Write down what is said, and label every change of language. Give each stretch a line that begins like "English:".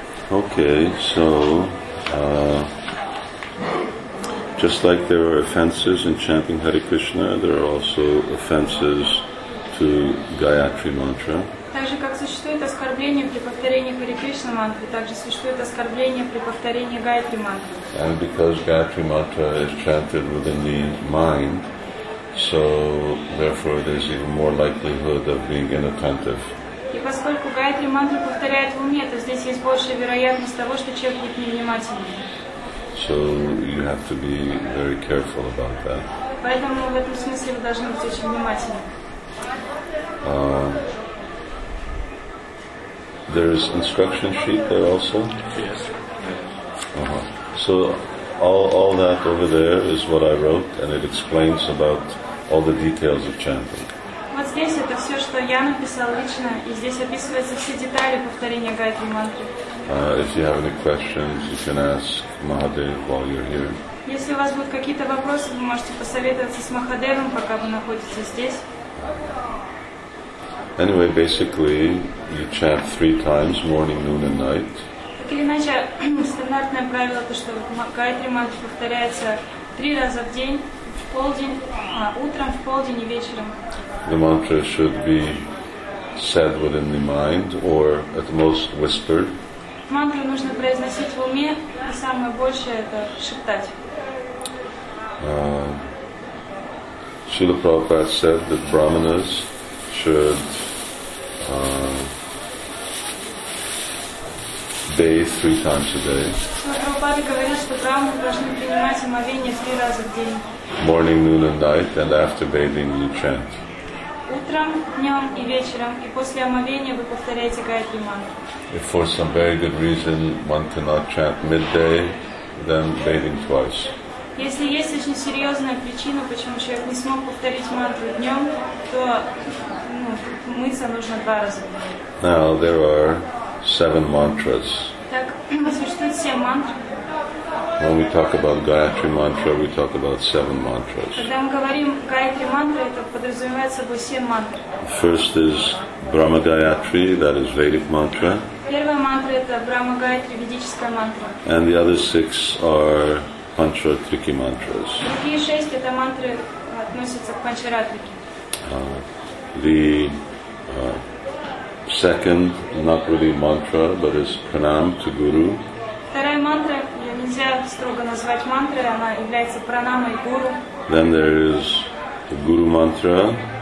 English: Okay, so just like there are offenses in chanting Hare Krishna, there are also offenses to Gayatri Mantra.
Russian: Существует оскорбление при повторении Хари Кришна мантры, также существует оскорбление при повторении Гаятри мантры.
English: And because Gayatri mantra is chanted within the mind, so therefore there's even more likelihood of being inattentive.
Russian: И поскольку Гаятри мантру повторяют в уме, то здесь есть большая вероятность того, что человек будет невнимательным.
English: So you have to be very careful about that.
Russian: Поэтому в этом смысле вы должны быть очень внимательны.
English: There is instruction sheet there also? Yes. Uh-huh. So all that over there is what I wrote, and it explains about all the details of chanting.
Russian: Вот здесь это все, что я написал лично, и здесь описываются все детали повторения Гаятри мантры.
English: If you have any questions, you can ask Mahadev while you're here.
Russian: Если у вас будут какие-то вопросы, вы можете посоветоваться с Махадевом, пока вы находитесь здесь.
English: Anyway, basically, you chant three times, morning, noon, and night.
Russian: Так или иначе, стандартное правило то, что Гаятри мантра повторяется три раза в день, в полдень, утром, в полдень и вечером.
English: The mantra should be said within the mind, or at most whispered.
Russian: Мантру нужно произносить в уме, и самое большее это шептать.
English: Srila Prabhupada said that brahmanas should bathe three times a day.
Russian: Прабхупада говорят, что брахманы должны принимать омовение 3 раза в день.
English: Morning, noon and night, and after bathing you chant.
Russian: Утром, днем и вечером, и после омовения вы повторяете гайатри мантру.
English: If for some very good reason one cannot chant midday, then bathing twice.
Russian: Если есть очень серьезная причина, почему человек не смог повторить мантру днем, то мыться нужно 2 раза в день.
English: Now there are 7 mantras.
Russian: Так, существует 7 мантр.
English: When we talk about Gayatri Mantra, we talk about 7 mantras.
Russian: Когда мы говорим Гаятри мантра, это подразумевает собой 7 мантр.
English: First is Brahma Gayatri, that is Vedic mantra.
Russian: Первая мантра это Брахма Гаятри, ведическая мантра.
English: And the other 6 are Панчара Трики mantras.
Russian: Другие 6 это мантры относятся к Панчаратрике.
English: The second, not really mantra, but is pranam to guru.
Russian: Вторая мантра нельзя строго назвать мантрой, она является пранамой гуру.
English: Then there is the guru mantra.